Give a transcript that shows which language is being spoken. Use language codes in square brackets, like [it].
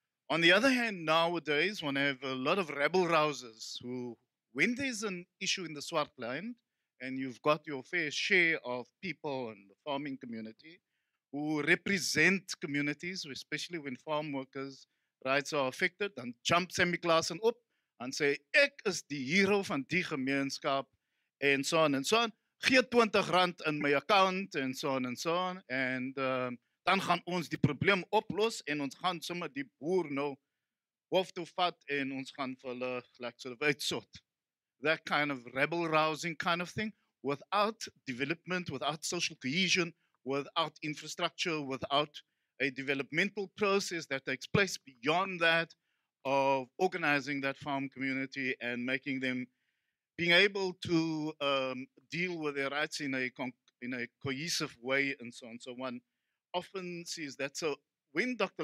[en] On the other hand, nowadays, one have a lot of rabble rousers who, when there's an issue in the Swartland, and you've got your fair share of people in the farming community who represent communities, especially when farm workers' rights are affected, and jump semi-classen up and say, [af] ek is die hero van die gemeenskap, [en] and so on and so on. [af] Gee 20 rand [en] in my account, and so on and so on. [af] And dan gaan ons die probleem oplos en ons gaan sommer die boer nou hof toe vat en ons gaan vir hulle lekker uitsort. [en] That kind of rabble-rousing kind of thing, without development, without social cohesion, without infrastructure, without a developmental process that takes place beyond that of organizing that farm community and making them being able to deal with their rights in a cohesive way and so on. So one often sees that. So when Dr.